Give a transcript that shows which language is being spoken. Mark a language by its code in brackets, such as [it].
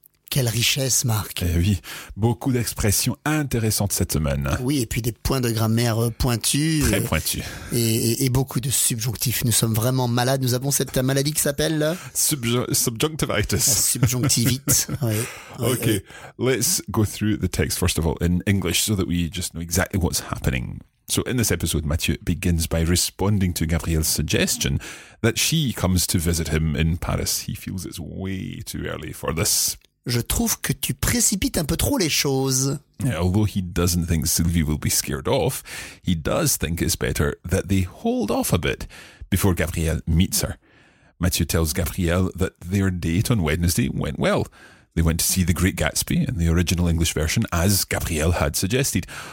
[fr] Quelle richesse, Marc. Eh oui, beaucoup d'expressions intéressantes cette semaine. Oui, et puis des points de grammaire pointus. Très pointus. Et beaucoup de subjonctifs. Nous sommes vraiment malades. Nous avons cette maladie qui s'appelle... [en] Subjunctivitis. [fr] Subjonctivite, oui. [en] Ok, let's go through the text first of all in English so that we just know exactly what's happening. So in this episode, Mathieu begins by responding to Gabrielle's suggestion that she comes to visit him in Paris. He feels it's way too early for this. [fr] Je trouve que tu précipites un peu trop les choses. [en] Yeah, although he doesn't think Sylvie will be scared off, he does think it's better that they hold off a bit before Gabrielle meets her. Mathieu tells Gabrielle that their date on Wednesday went well. They went to see The Great Gatsby in the original English version, as Gabrielle had suggested.